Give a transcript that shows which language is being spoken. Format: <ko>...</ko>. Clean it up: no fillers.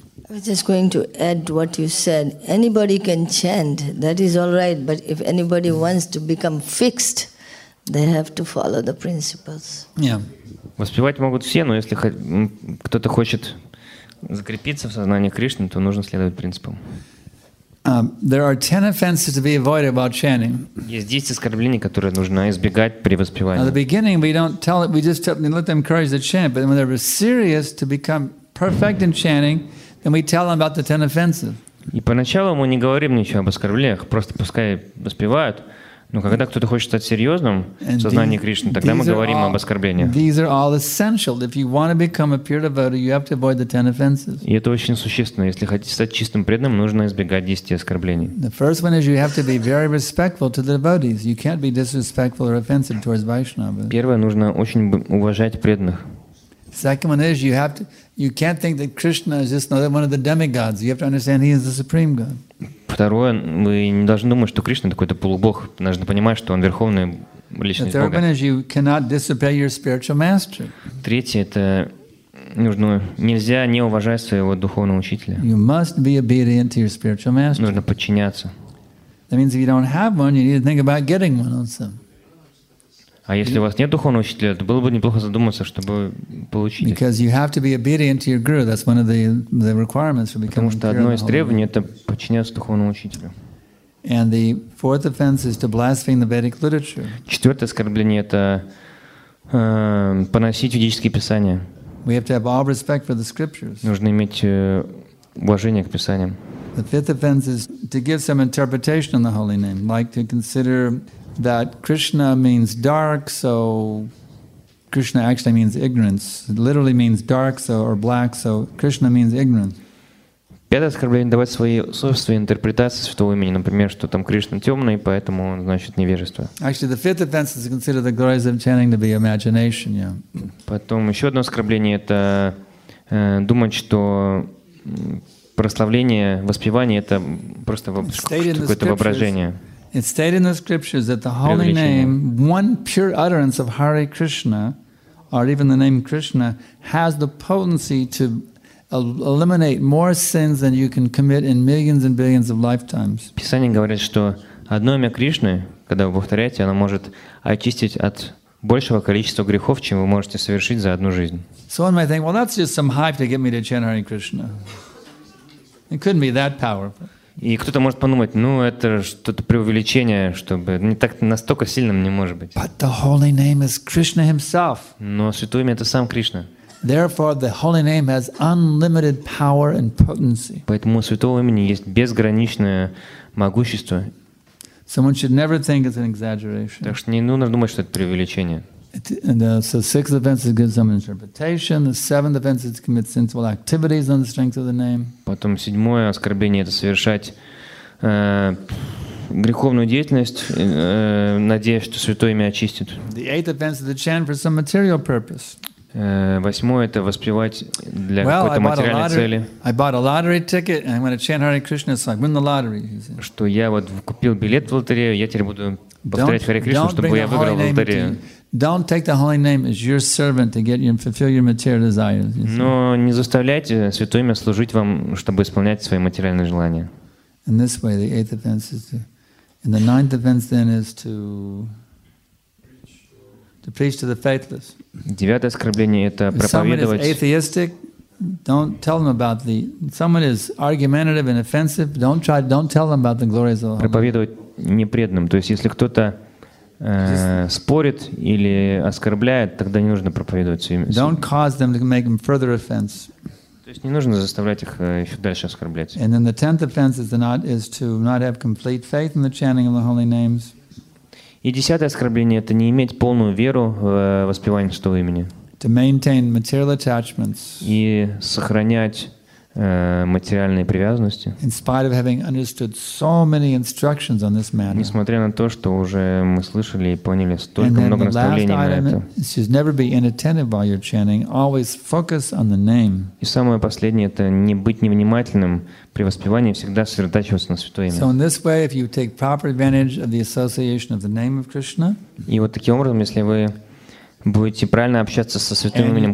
<en>I'm just going to add what you said. Anybody can chant, that is all right, but if anybody wants to become fixed, they have to follow the principles. Yeah.</en> <ru>Воспевать могут все, но если кто-то хочет закрепиться в сознании Кришны, то нужно следовать принципам.</ru> <en>There are 10 offenses to be avoided while chanting.</en> <ru>Есть 10 оскорблений, которые нужно избегать при воспевании.</ru> <en>At the beginning, we don't tell it, we just let them encourage the chant, but when they're serious to become perfect in chanting, then we tell them about the 10 offenses.</en> <ru>И поначалу мы не говорим ничего об оскорблениях, просто пускай воспевают. Но когда кто-то хочет стать серьезным в сознании Кришны, тогда мы говорим</ru> <en>all,</en> <ru>об оскорблениях.</ru> <en>These are all essential. If you want to become a pure devotee, you have to avoid the 10 offenses.</en> <ru>И это очень существенно. Если хотите стать чистым преданным, нужно избегать 10 оскорблений.</ru> <en>The first one is you have to be very respectful to the devotees. You can't be disrespectful or offensive towards Vaishnavas.</en> <ru>Первое, нужно очень уважать преданных.</ru> <en>Second one is you have to, you can't think that Krishna is just another one of the demigods. You have to understand he is the supreme God.</en> <ru>Второе, мы не должны думать, что Кришна какой-то полубог. Мы должны понимать, что он верховная личность Бога.</ru> <en>The third one is you cannot disobey your spiritual master.</en> <ru>Третье, это нужно, нельзя не уважать своего духовного учителя.</ru> <en>You must be obedient to your spiritual master.</en> <ru>Нужно подчиняться.</ru> <en>That means if you don't have one, you need to think about getting one also.</en> <ru>А если у вас нет духовного учителя, то было бы неплохо задуматься, чтобы получить.</ru> <en>Because you have to be obedient to your guru. That's one of the requirements for becoming.</en> <ru>Потому что одно из требований — это подчиняться духовному учителю.</ru> <en>And the fourth offense is to blaspheme the Vedic literature.</en> <ru>Четвертое оскорбление — это поносить ведические писания.</ru> <en>We have to have all respect for the scriptures.</en> <ru>Нужно иметь уважение к писаниям.</ru> <en>The fifth offense is to give some interpretation on the holy name, like to consider that Krishna means dark, so Krishna actually means ignorance. It literally means dark, so or black, so Krishna means ignorance.</en> <ru>Пятое оскорбление — давать свои собственные интерпретации святого имени, например, что там Кришна темный, поэтому он значит невежество.</ru> <en>Actually, the fifth offense is to consider the glories of chanting to be imagination. Yeah.</en> <ru>Потом еще одно оскорбление — это думать, что прославление, воспевание — это просто какое-то воображение.</ru> <en>It stated in the scriptures that the holy name, one pure utterance of Hare Krishna, or even the name Krishna, has the potency to eliminate more sins than you can commit in millions and billions of lifetimes.</en> <ru>Писание говорит, что одно имя Кришны, когда вы повторяете, оно может очистить от большего количества грехов, чем вы можете совершить за одну жизнь.</ru> <en>So one might think, well, that's just some hype to get me to chant Hare Krishna. It couldn't be that powerful.</en> <ru>И кто-то может подумать, ну это что-то преувеличение, чтобы не так настолько сильным не может быть.</ru> <en>But the holy name is Krishna himself.</en> <ru>Но святое имя — это сам Кришна.</ru> <en>Therefore, the holy name has unlimited power and potency.</en> <ru>Поэтому у святого имени есть безграничное могущество.</ru> <en>Someone should never think it's an exaggeration.</en> <ru>Так что не нужно думать, что это преувеличение.</ru> <en>So sixth offense is to give some interpretation. The seventh offense is to commit sinful activities on the strength of the name.</en> <ru>Потом седьмое оскорбление — это совершать греховную деятельность, надеясь, что святое имя очистит.</ru> <en>The eighth offense is to chant for some material purpose.</en> <ru>Восьмое — это воспевать для какой-то материальной цели.</ru> <en>I bought a lottery ticket and I'm going to chant Hare Krishna so I win the lottery.</en> <ru>Что я вот купил билет в лотерею, я теперь буду повторять Харе Кришну, чтобы я выиграл в лотерею.</ru> <en>Don't take the holy name as your servant to get you and fulfill your material desires.</en> <ru>Но не заставляйте святое имя служить вам, чтобы исполнять свои материальные желания.</ru> <en>In this way, the eighth offense is to, and the ninth offense then is to preach to the faithless.</en> <ru>Девятое оскорбление — это проповедовать.</ru> <en>Someone is atheistic. Don't tell them about the. Someone is argumentative and offensive. Don't try. Don't tell them about the glories of.</en> <ru>Проповедовать непреданным. То есть, если кто-то спорит или оскорбляет, тогда не нужно проповедовать свое имя.</ru> <en>Don't cause them to make them further offense.</en> <ru>То есть не нужно заставлять их еще дальше оскорблять.</ru> <en>And then the tenth offense is to not have complete faith in the chanting of the holy names.</en> <ru>И десятое оскорбление — это не иметь полную веру в воспевание святого имени.</ru> <en>To maintain material attachments.</en> <ru>И сохранять материальные привязанности.</ru> <en>In spite of having understood so many instructions on this matter.</en> <ru>Несмотря на то, что уже мы слышали и поняли столько много наставлений на это.</ru> <en>Just never be inattentive while you're chanting. Always focus on the name.</en> <ru>И самое последнее — это не быть невнимательным при воспевании, всегда сосредотачиваться на святое имя.</ru> <en>So in this way, if you take proper advantage of the association of the name of Krishna.</en> <ru>И вот таким образом, если вы будете правильно общаться со святым именем</ru>